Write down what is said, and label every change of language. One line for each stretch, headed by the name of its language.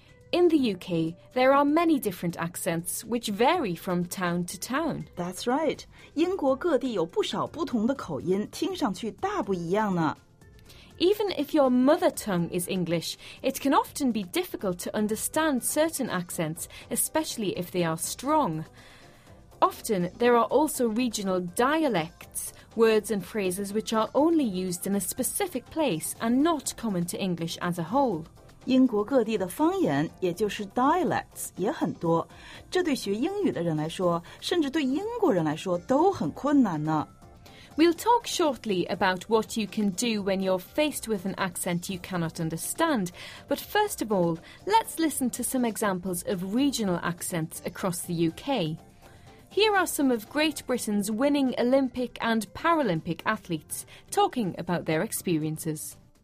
English: In the UK, there are many different accents which vary from town to town. That's right.
Chinese: 英国各地有不少不同的口音，听上去大不一样呢。
English: Even if your mother tongue is English, it can often be difficult to understand certain accents, especially if they are strong. Often, there are also regional dialects, words and phrases which are only used in a specific place and not common to English as a whole.
Chinese: 英国各地的方言，也就是 dialects, 也很多。这对学英语的人来说，甚至对英国人来说，都很困难呢。
English: We'll talk shortly about what you can do when you're faced with an accent you cannot understand. But first of all, let's listen to some examples of regional accents across the UK. Here are some of Great Britain's winning Olympic and Paralympic athletes talking about their experiences.